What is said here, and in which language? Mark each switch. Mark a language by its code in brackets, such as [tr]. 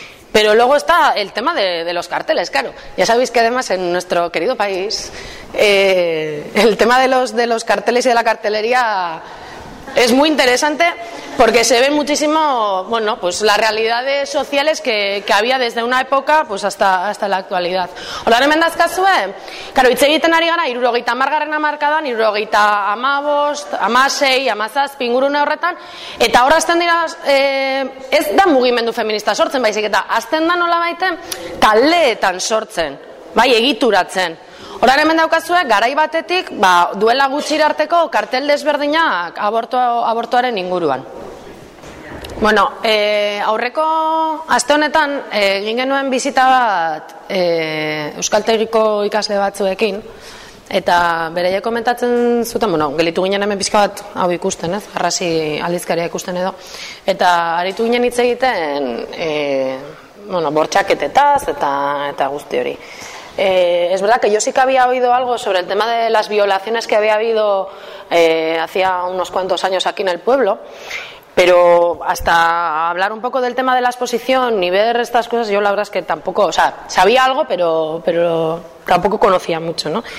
[es] Pero luego está el tema de los carteles, claro. Ya sabéis que además en nuestro querido país el tema de los carteles y de la cartelería es muy interesante porque se ven muchísimo, bueno, pues las realidades sociales que había desde una época pues hasta la actualidad. [eu] Hola, hemendaz kasue. Claro, hitz egiten ari gara 70. Hamarkadan, 75, 16, 17 ingurune horretan eta hor hasten dira ez da mugimendu feminista sortzen, baizik eta hasten da nolabait taldeetan sortzen, bai, egituratzen. Orain hemen daukazue, garai batetik, ba, duela gutxira arteko kartel desberdinak abortuaren inguruan. Bueno, aurreko aste honetan egin genuen bizita bat euskaltegiko ikasle batzuekin eta beraiek komentatzen zuten, bueno, gelitu ginen hemen pizka bat hau ikusten, ez? Arrasi aldizkaria ikusten edo eta aritu ginen hitz egiten bueno, bortxaketetaz eta guzti hori. [es] Es verdad que yo sí que había oído algo sobre el tema de las violaciones que había habido hacía unos cuantos años aquí en el pueblo, pero hasta hablar un poco del tema de la exposición y ver estas cosas, yo la verdad es que tampoco, o sea, sabía algo, pero tampoco conocía mucho, ¿no?